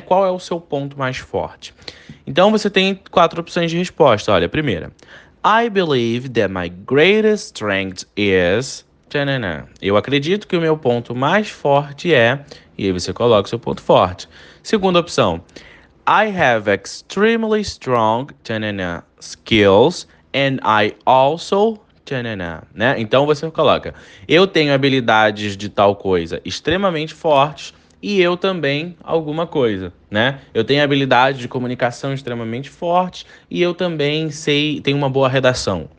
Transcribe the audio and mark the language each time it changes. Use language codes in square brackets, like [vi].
[pt] Qual é o seu ponto mais forte? Então você tem quatro opções de resposta. Olha, a primeira. [en] I believe that my greatest strength is. [pt] Eu acredito que o meu ponto mais forte é. E aí você coloca o seu ponto forte. Segunda opção. [en] I have extremely strong skills and I also. [pt] Né? Então você coloca. Eu tenho habilidades de tal coisa extremamente fortes e eu também alguma coisa. Né? Eu tenho habilidades de comunicação extremamente fortes e eu também sei, tenho uma boa redação.